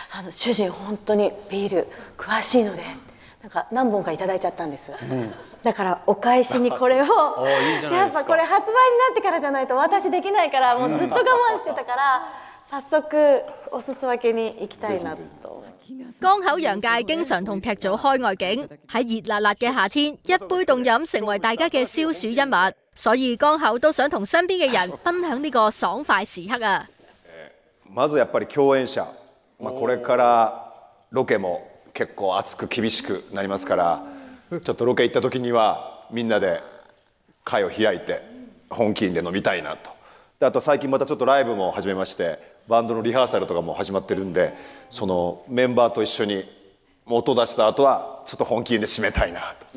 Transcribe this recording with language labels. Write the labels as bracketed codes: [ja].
[ja] 主人本当にビール詳しいので、なんか何本かいただいちゃったんです、だからお返しにこれをやっぱこれ発売になってからじゃないと私できないから、もうずっと我慢してたから早速おすす分けに行きたいなと。 [yue] 江口洋介经常同剧组开外景，在热辣辣的夏天，一杯冻饮成为大家的消暑一物，所以江口都想同身边的人分享这个爽快时刻啊。 [ja] まずやっぱり共演者、これからロケも結構熱く厳しくなりますから、ちょっとロケ行った時にはみんなで会を開いて本気で飲みたいなと。あと最近またちょっとライブも始めまして、バンドのリハーサルとかも始まってるんで、そのメンバーと一緒に音出した後はちょっと本気で締めたいなと。